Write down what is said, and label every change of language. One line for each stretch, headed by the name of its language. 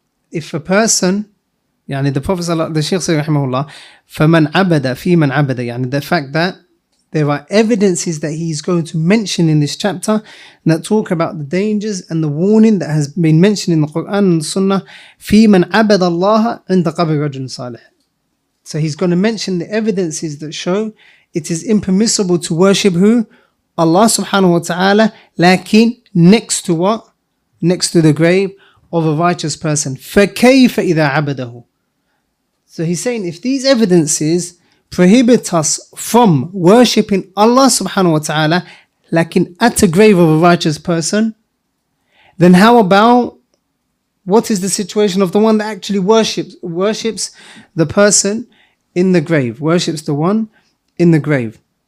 English: If a person, يعني the Prophet, the Shaykh said, rahimahullah, فَمَنْ عَبَدَ فِي مَنْ عَبَدَ, يعني the fact that there are evidences that he's going to mention in this chapter that talk about the dangers and the warning that has been mentioned in the Quran and the Sunnah.
Arabic: في من عبد الله عند قبر رجل صالح.
English: So he's going to mention the evidences that show it is impermissible to worship who? Allah subhanahu wa ta'ala, lakin next to what? Next to the grave of a righteous person.
Arabic: فكيف إذا عبده.
English: So he's saying if these evidences prohibit us from worshipping Allah subhanahu wa ta'ala, lakin at a grave of a righteous person, then how about, what is the situation of the one that actually worships the person in the grave, worships the one in the grave?